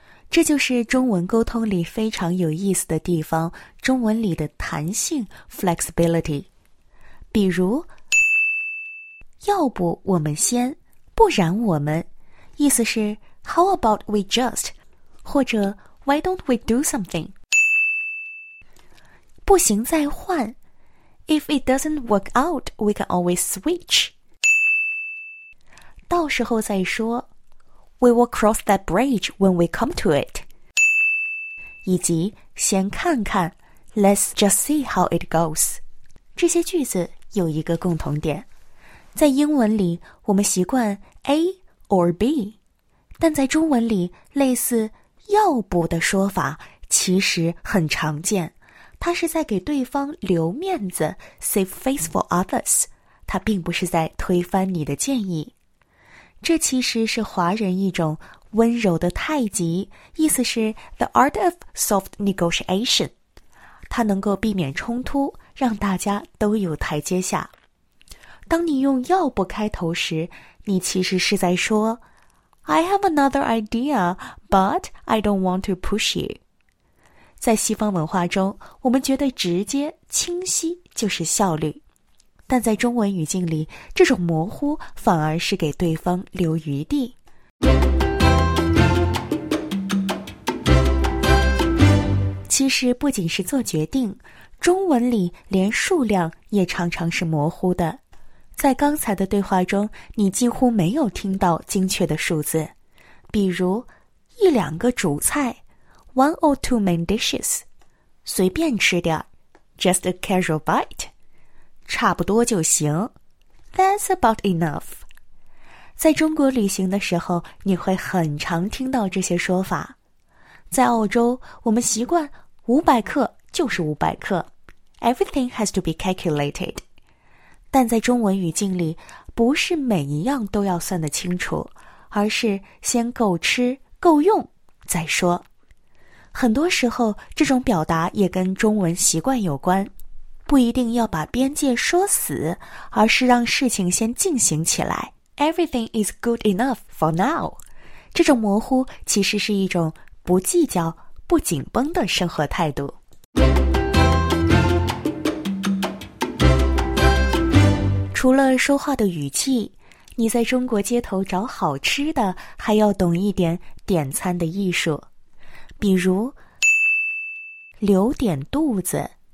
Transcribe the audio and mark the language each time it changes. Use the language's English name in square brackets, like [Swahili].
[Chinese] 这就是中文沟通里非常有意思的地方，中文里的弹性 flexibility。比如，要不我们先，不然我们，意思是 [English] How about we just? 或者 Why don't we do something? [Chinese] 不行再换。 [English] If it doesn't work out, we can always switch. [Chinese] 到时候再说。 [English] We will cross that bridge when we come to it. [Chinese] 以及先看看。 [English] Let's just see how it goes. [Chinese] 这些句子有一个共同点，在英文里我们习惯 A or B， 但在中文里类似要不的说法其实很常见，它是在给对方留面子， [English] save face for others， [Chinese] 它并不是在推翻你的建议。这其实是华人一种温柔的太极，意思是 [English] the art of soft negotiation， [Chinese] 它能够避免冲突，让大家都有台阶下。当你用要不开头时，你其实是在说 [English] I have another idea, but I don't want to push you. [Chinese] 在西方文化中，我们觉得直接清晰就是效率，但在中文语境里，这种模糊反而是给对方留余地。其实不仅是做决定，中文里连数量也常常是模糊的。在刚才的对话中，你几乎没有听到精确的数字。比如，一两个主菜 , [English] one or two main dishes, [Chinese] 随便吃点 , [English] just a casual bite, [Chinese] 差不多就行 , [English] that's about enough. [Chinese] 在中国旅行的时候你会很常听到这些说法。在澳洲我们习惯500克就是500克 , [English] everything has to be calculated. [Chinese] 但在中文语境里不是每一样都要算得清楚，而是先够吃够用再说。很多时候这种表达也跟中文习惯有关，不一定要把边界说死，而是让事情先进行起来。 [English] Everything is good enough for now. [Chinese] 这种模糊其实是一种不计较不紧绷的生活态度。除了说话的语气，你在中国街头找好吃的还要懂一点点餐的艺术，比如留点肚子。